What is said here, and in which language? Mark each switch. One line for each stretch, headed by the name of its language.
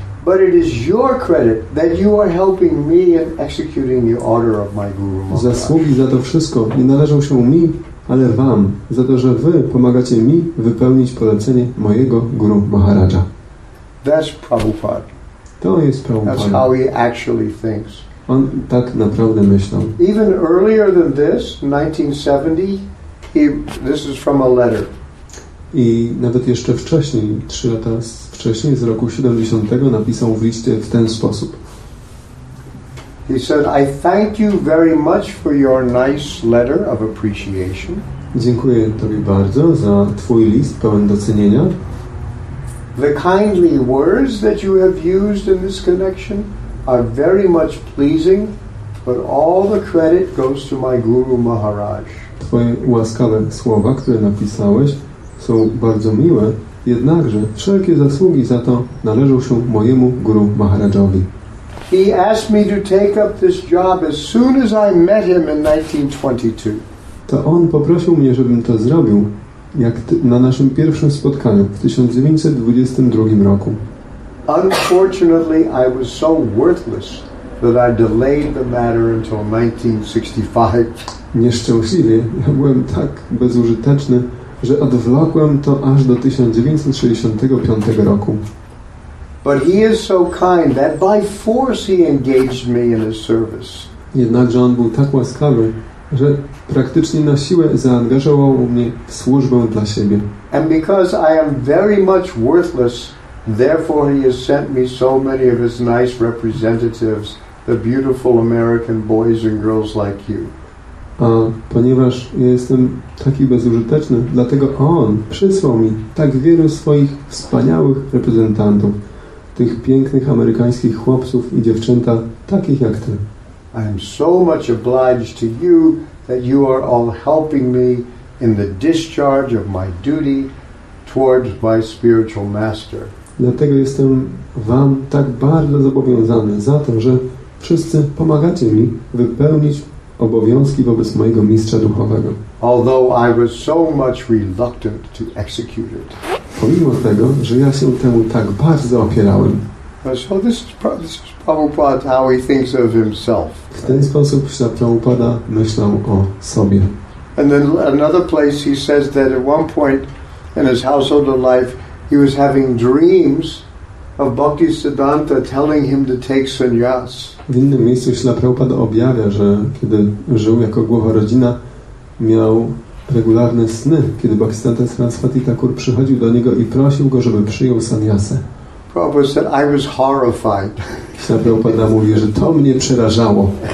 English: But it is your credit that you are helping me in executing the order of my Guru Maharaj.
Polish: Zasługi za to wszystko nie należą się mi, ale wam, za to, że wy pomagacie mi wypełnić polecenie mojego Guru Maharaja.
English: That's Prabhupada.
Polish: To jest Prabhupada.
English: That's how he actually thinks.
Polish: On tak naprawdę myślał.
English: Even earlier than this, 1970, this is from a letter.
Polish: I nawet jeszcze wcześniej, 3 lata wcześniej, z roku 70, napisał w liście w ten sposób.
English: He said, I thank you very much for your nice letter of appreciation.
Polish: Dziękuję Tobie bardzo za Twój list pełen docenienia.
English: The kindly words that you have used in this connection are very much pleasing, but all the credit goes to my Guru Maharaj.
Polish: Twoje łaskawe słowa, które napisałeś, są bardzo miłe, jednakże wszelkie zasługi za to należą się mojemu Guru Maharajowi.
English: He asked me to take up this job as soon as I met him in 1922.
Polish: To on poprosił mnie, żebym to zrobił, jak na naszym pierwszym spotkaniu w 1922 roku.
English: Unfortunately, I was so worthless that I delayed the matter until 1965.
Polish: Nieszczęśliwie, ja byłem tak bezużyteczny, że odwlokłem to aż do 1965 roku.
English: But he is so kind that by force he engaged me in his service.
Polish: Jednakże on był tak łaskawy, że praktycznie na siłę zaangażował mnie w służbę dla siebie.
English: And because I am very much worthless, therefore he has sent me so many of his nice representatives, the beautiful American boys and girls like you.
Polish: A ponieważ ja jestem taki bezużyteczny, dlatego on przysłał mi tak wielu swoich wspaniałych reprezentantów, tych pięknych amerykańskich chłopców i dziewczęta, takich jak ty.
English: I am so much obliged to you that you are all helping me in the discharge of my duty towards my spiritual master.
Polish: Dlatego jestem wam tak bardzo zobowiązany za to, że wszyscy pomagacie mi wypełnić obowiązki wobec mojego mistrza duchowego.
English: Although I was so much reluctant to execute it.
Polish: Pomimo tego, że ja się temu tak bardzo opierałem.
English: So this is Prabhupada how he thinks of himself.
Polish: W ten sposób Śla Prabhupada myślał o sobie.
English: And then another place he says that at one point in his household of life he was having dreams of Bhakti Siddhanta telling him to take sannyas.
Polish: W innym miejscu Śla Prabhupada objawia, że kiedy żył jako głowa rodzina, miał regularne sny, kiedy Bhakti Siddhanta Saraswati Thakur przychodził do niego i prosił go, żeby przyjął sannyasę.
English: Prabhupada said, I was horrified.
Polish: Śla Prabhupada mówi, że to mnie przerażało.